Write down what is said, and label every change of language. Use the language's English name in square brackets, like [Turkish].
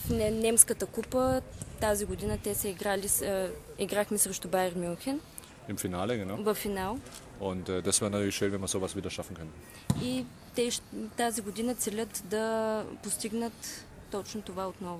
[Bulgarian] Немската купа тази година те са играхме срещу Bayern München. [German] Im Finale, genau. [Bulgarian] Във финал. [German] Und das wäre natürlich schön, wenn wir sowas wieder schaffen können. [Bulgarian] И тази година целят да постигнат точно това отново.